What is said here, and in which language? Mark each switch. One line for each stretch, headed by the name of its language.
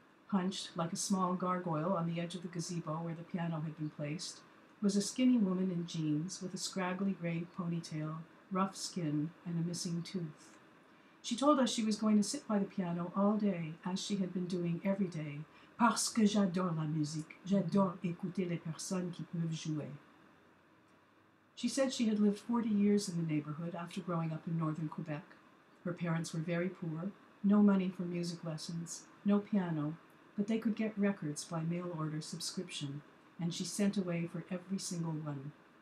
English: Hunched like a small gargoyle on the edge of the gazebo where the piano had been placed, was a skinny woman in jeans with a scraggly gray ponytail, rough skin, and a missing tooth. She told us she was going to sit by the piano all day, as she had been doing every day.
French: Parce que j'adore la musique. J'adore écouter les personnes qui peuvent jouer.
English: She said she had lived 40 years in the neighborhood after growing up in northern Quebec. Her parents were very poor, no money for music lessons, no piano, but they could get records by mail order subscription, and she sent away for every single one.